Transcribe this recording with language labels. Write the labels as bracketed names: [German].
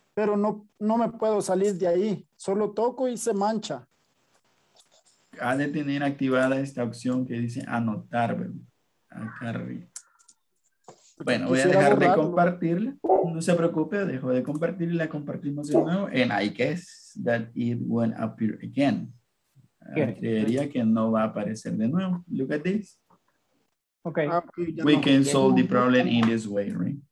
[Spanish] Pero no me puedo salir de ahí. Solo toco y se mancha. Ha de tener activada esta opción que dice anotar. Acá arriba. Bueno, voy a dejar borrarlo. De compartirla. No se preocupe, dejo de compartirla y la compartimos de nuevo. [English] And I guess that it will appear again. [Spanish] Creería que no va a aparecer de nuevo. [English] Look at this. Okay. We can solve the problem in this way, right?